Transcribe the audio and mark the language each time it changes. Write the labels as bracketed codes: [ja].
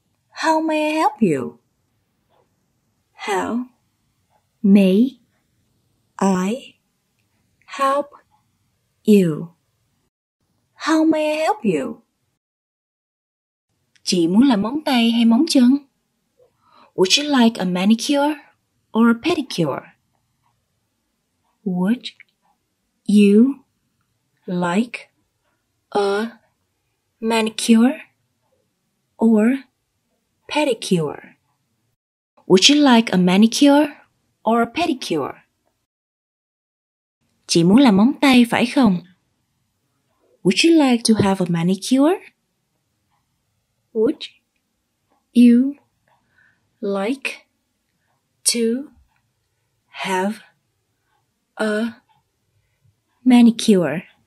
[en] How may I help you? How may I help you? How may I help you? [vi] Chị muốn làm móng tay hay móng chân? [en] Would you like a manicure or a pedicure? Would you like a manicure or pedicure? Would you like a manicure or a pedicure? [vi] Chị muốn làm móng tay phải không? [en] Would you like to have a manicure? Would you like to have a manicure?